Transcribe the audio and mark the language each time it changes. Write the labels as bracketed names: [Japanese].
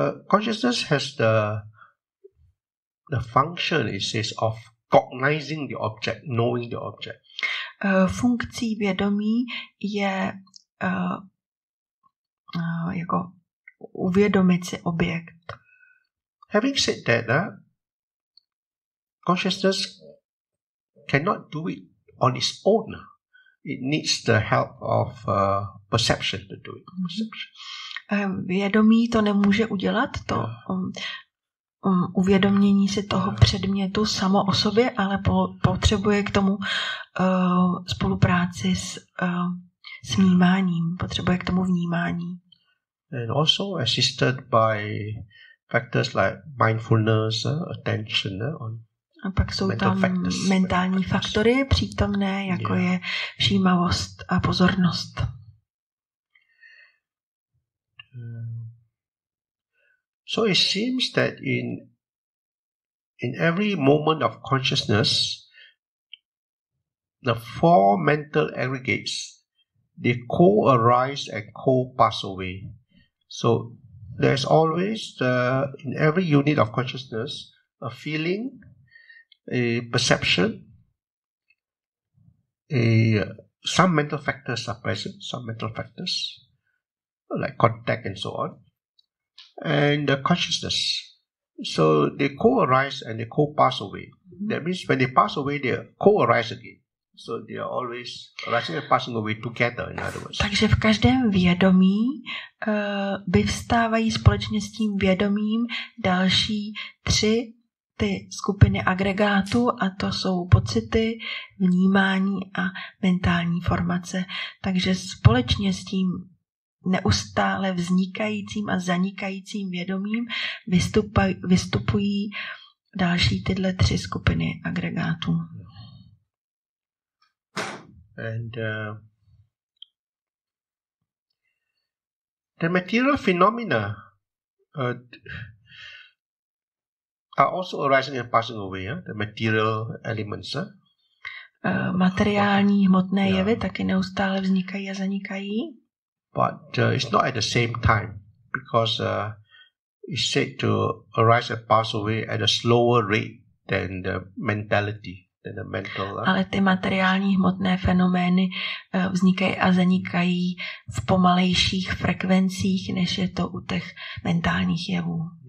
[English] Consciousness has the function, it says, of cognizing the object, knowing the object. [Czech] Funkcí vědomí je jako uvědomit si objekt. [English] Having said that, consciousness cannot do it on its own. It needs the help of perception to do it. Perception. [Czech] Vědomí to nemůže udělat, to uvědomění si toho předmětu samo o sobě, ale potřebuje k tomu spolupráci s vnímáním, potřebuje k tomu vnímání. [English] And also assisted by factors like mindfulness, attention, on. [Czech] A pak jsou [English] mental [Czech] tam [English] factors, [Czech] mentální faktory přítomné, jako je všímavost a pozornost. [English] So it seems that in every moment of consciousness, the four mental aggregates, they co-arise and co-pass away. So there's always in every unit of consciousness, a feeling, a perception, some mental factors are present, some mental factors, like contact and so on. And the consciousness. So they co-arise and they co-pass away. That means when they pass away, they co-arise again. So they are always arising and passing away together, in other words. [Czech] Takže v každém vědomí vyvstávají společně s tím vědomím další tři ty skupiny agregátů, a to jsou pocity, vnímání a mentální formace. Takže společně s tím neustále vznikajícím a zanikajícím vědomím vystupují další tyhle tři skupiny agregátů. [English] And the material phenomena are also arising and passing away, the material elements. [Czech] Materiální hmotné jevy taky neustále vznikají a zanikají. [English] But it's not at the same time, because it's said to arise and pass away at a slower rate than the mentality, than the mental. [Czech] Ale ty materiální hmotné fenomény vznikají a zanikají v pomalejších frekvencích, než je to u těch mentálních jevů.